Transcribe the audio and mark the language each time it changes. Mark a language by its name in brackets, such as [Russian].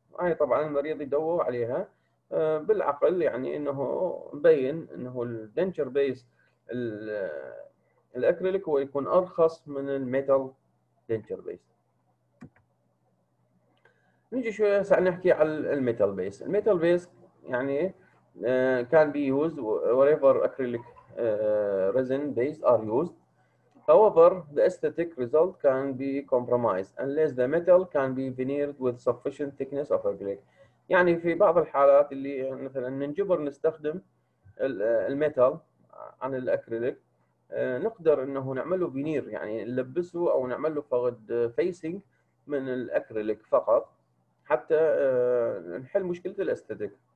[Arabic] هاي طبعا المريض يدور عليها بالعقل، يعني انه مبين انه الدنتشر بيس الاكريليك هو يكون ارخص من الميتال دنتشر بيس. نجي شوية هسه نحكي على الميتال بيس. الميتال بيس يعني كان بي يوز وريفر اكريليك ريزن بيس ار يوز. [English] However, the aesthetic result can be compromised unless the metal can be veneered with sufficient thickness of acrylic. [Arabic] يعني في بعض الحالات اللي مثلا ننجبر نستخدم الميتال عن الاكريليك نقدر انه نعمل له فينير، يعني نلبسه او نعمل له فقد فيسنج من الاكريليك فقط حتى نحل مشكله الاستاتيك.